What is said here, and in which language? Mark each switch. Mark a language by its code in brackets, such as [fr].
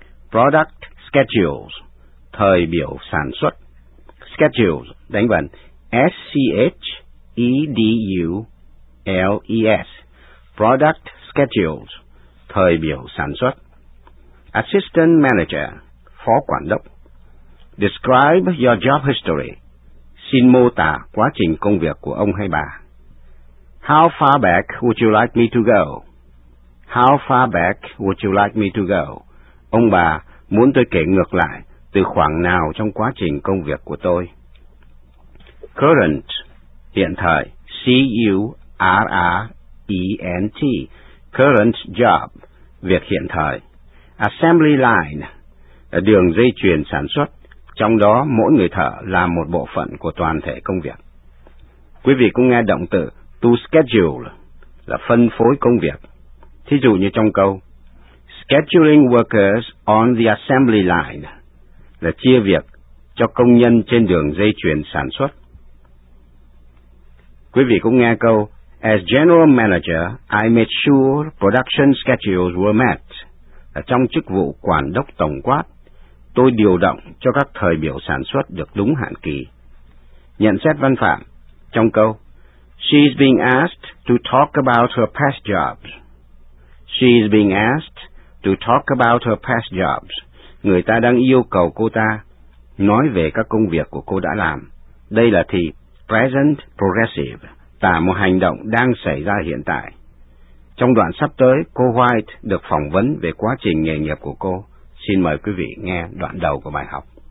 [vi] Product Schedules, thời biểu sản xuất. Schedules, đánh vần, S-C-H-E-D-U-L-E-S, Product Schedules, thời biểu sản xuất. Assistant Manager, phó quản đốc. [en] Describe your job history. [vi] Xin mô tả quá trình công việc của ông hay bà. [en] How far back would you like me to go? How far back would you like me to go? [vi] Ông bà muốn tôi kể ngược lại từ khoảng nào trong quá trình công việc của tôi. Current, hiện thời, C-U-R-R-E-N-T, current job, việc hiện thời. Assembly line, là đường dây chuyền sản xuất. Trong đó, mỗi người thợ là một bộ phận của toàn thể công việc. Quý vị cũng nghe động từ to schedule, là phân phối công việc. Thí dụ như trong câu, [en] scheduling workers on the assembly line, [vi] là chia việc cho công nhân trên đường dây chuyền sản xuất. Quý vị cũng nghe câu, [en] as general manager, I made sure production schedules were met, [vi] là trong chức vụ quản đốc tổng quát. Tôi điều động cho các thời biểu sản xuất được đúng hạn kỳ. Nhận xét văn phạm trong câu [en] She's being asked to talk about her past jobs. She's being asked to talk about her past jobs. [vi] Người ta đang yêu cầu cô ta nói về các công việc của cô đã làm. Đây là thì present progressive, tả một hành động đang xảy ra hiện tại. Trong đoạn sắp tới, cô White được phỏng vấn về quá trình nghề nghiệp của cô. Xin mời quý vị nghe đoạn đầu của bài học.